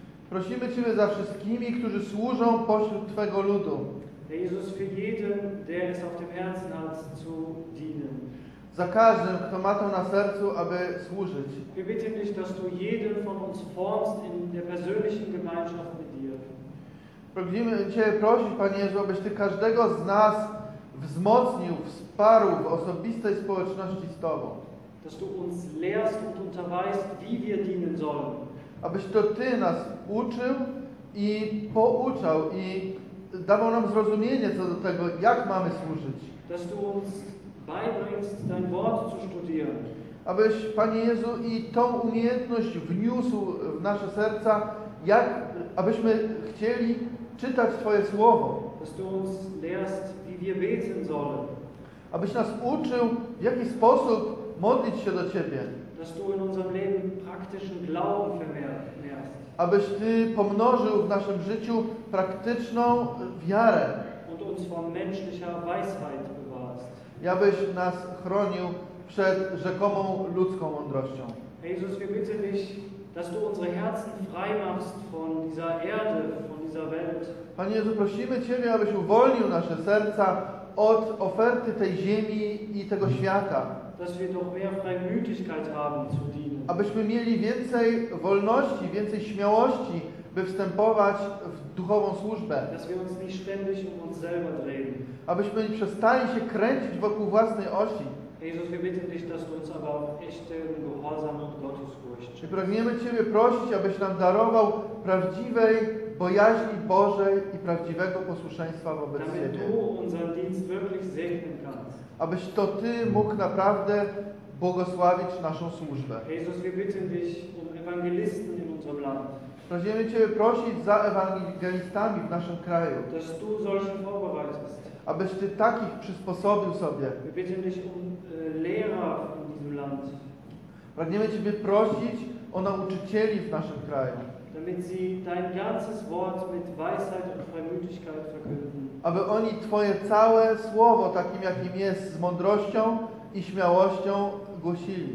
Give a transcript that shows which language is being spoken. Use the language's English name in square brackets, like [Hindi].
[Polish] Prosimy Ciebie za wszystkimi, którzy służą pośród Twego ludu. [German] Jesus für jeden, der es auf dem Herzen hat, zu dienen. [Polish] Za każdym, kto ma to na sercu, aby służyć. [German] Wir bitten dich, dass du jeden von uns formst in der persönlichen Gemeinschaft mit dir. [Polish] Pragniemy Cię prosić, Panie Jezu, abyś Ty każdego z nas wzmocnił, wsparł w osobistej społeczności z Tobą. [German] Dass du uns lehrst und unterweist, wie wir dienen sollen. [Polish] Abyś to Ty nas uczył i pouczał i dawał nam zrozumienie co do tego, jak mamy służyć. [German] Dass du uns beibringst, dein Wort zu studieren. [Polish] Abyś, Panie Jezu, i tą umiejętność wniósł w nasze serca, jak, abyśmy chcieli czytać Twoje Słowo. [German] Dass du uns lehrst, wie wir beten sollen. [Polish] Abyś nas uczył, w jaki sposób modlić się do Ciebie. [German] Dass du in unserem Leben praktischen Glauben vermehrst. [Polish] Abyś Ty pomnożył w naszym życiu praktyczną wiarę. [German] Und uns von menschlicher Weisheit bewahrst. [Polish] I abyś nas chronił przed rzekomą ludzką mądrością. [German] Jesus, wir bitten dich, dass du unsere Herzen frei machst von dieser Erde, von dieser Welt. [Polish] Panie Jezu, prosimy Ciebie, abyś uwolnił nasze serca od oferty tej ziemi i tego świata. [German] Dass wir doch mehr Freimütigkeit haben zu dienen. [Polish] Abyśmy mieli więcej wolności, więcej śmiałości, by wstępować w duchową służbę. [German] Dass wir uns nicht ständig um uns selber drehen. [Polish] Abyśmy przestali się kręcić wokół własnej osi. [German] Jesus, wir bitten dich, dass du uns aber echten Gehorsam und Gottesfurcht. [Polish] I pragniemy Ciebie prosić, abyś nam darował prawdziwej bojaźni Bożej i prawdziwego posłuszeństwa wobec [German] damit [Polish] Ciebie. [German] Du unseren Dienst wirklich segnen kannst. [Polish] Abyś to Ty mógł naprawdę błogosławić naszą służbę. [German] Jesus, wir bitten dich um Evangelisten in unserem Land. [Polish] Pragniemy Ciebie prosić za ewangelistami w naszym kraju. [German] Dass du solche vorbereitest. [Polish] Abyś Ty takich przysposobił sobie. [German] Wir bitten dich um Lehrer in diesem Land. [Polish] Pragniemy Ciebie prosić o nauczycieli w naszym kraju. [German] Damit sie dein ganzes Wort mit Weisheit und Freimütigkeit verkünden. [Polish] Aby oni Twoje całe Słowo, takim jakim jest, z mądrością i śmiałością głosili.